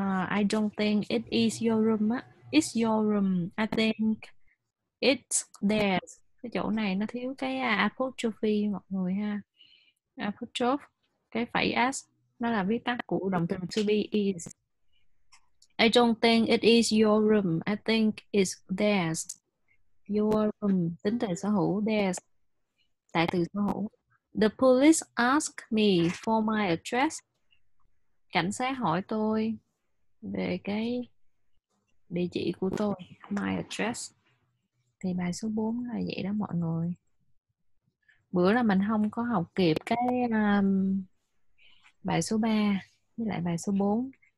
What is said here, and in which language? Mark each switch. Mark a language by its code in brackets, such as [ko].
[en] I don't think it is your room. It's your room. I think it's theirs. [vi] Cái chỗ này nó thiếu cái apostrophe mọi người ha. Apostrophe, cái phẩy s nó là viết tắt của động từ to be is. [en] I don't think it is your room. I think it's theirs. [vi] Your room tính từ sở hữu, theirs tại từ sở hữu. [en] The police asked me for my address. [vi] Cảnh sát hỏi tôi về cái địa chỉ của tôi, [en] my address. [vi] Thì bài số 4 là vậy đó mọi người. Bữa là mình không có học kịp cái bài số 3 với lại bài số 4.